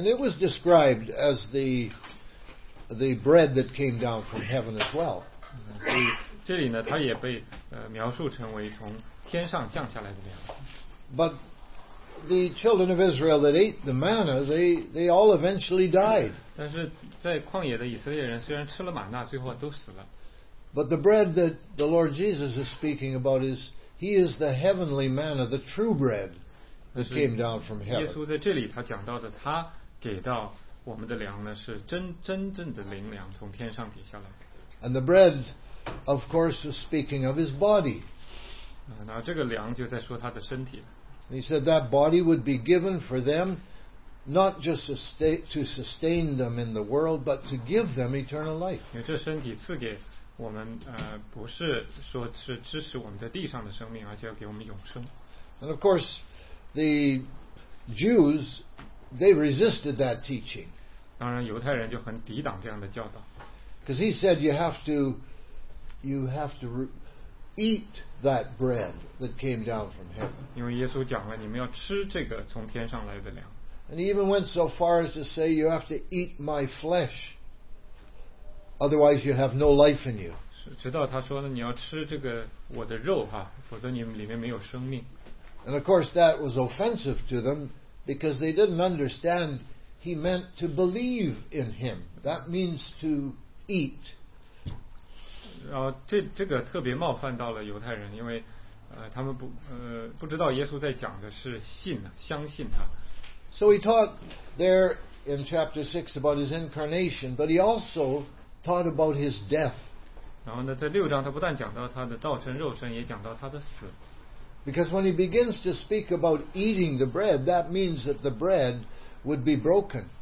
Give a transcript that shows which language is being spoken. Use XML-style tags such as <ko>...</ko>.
<en>And it was described as the bread that came down from heaven as well.</en> <zh>这里呢，它也被描述成为从天上降下来的粮。</zh> <en>But the children of Israel that ate the manna, they all eventually died.</en> <zh>但是在旷野的以色列人虽然吃了玛纳，最后都死了。</zh> <en>But the bread that the Lord Jesus is speaking about is He is the heavenly manna, the true bread that came down from heaven.</en> <zh>耶稣在这里他讲到的，他给到我们的粮呢，是真正的灵粮，从天上给下来的。</zh> <en>And the bread, of course, was speaking of his body.</en> <zh>那这个粮就在说他的身体了。</zh> <en>He said that body would be given for them, not just to sustain them in the world, but to give them eternal life.</en> <zh>因为这身体赐给我们不是说是支持我们在地上的生命，而且要给我们永生。</zh> <en>And of course, the Jews, they resisted that teaching.</en> <zh>当然，犹太人就很抵挡这样的教导。</zh> <en>Because he said you have to eat that bread that came down from heaven.</en> <zh>因为耶稣讲了，你们要吃这个从天上来的粮。</zh> <en>And he even went so far as to say you have to eat my flesh, otherwise you have no life in you.</en> <zh>直到他说呢，你要吃这个我的肉哈，否则你们里面没有生命。</zh> <en>And of course that was offensive to them because they didn't understand he meant to believe in him. That means to eat.</en> <zh>然后这个特别冒犯到了犹太人，因为他们不知道耶稣在讲的是信，相信他。</zh> <en>So he taught there in chapter 6 about his incarnation, but he also taught about his death.</en> <zh>然后呢，在六章他不但讲到他的道成肉身，也讲到他的死。</zh> <en>Because when he begins to speak about eating the bread, that means that the bread would be broken.</en>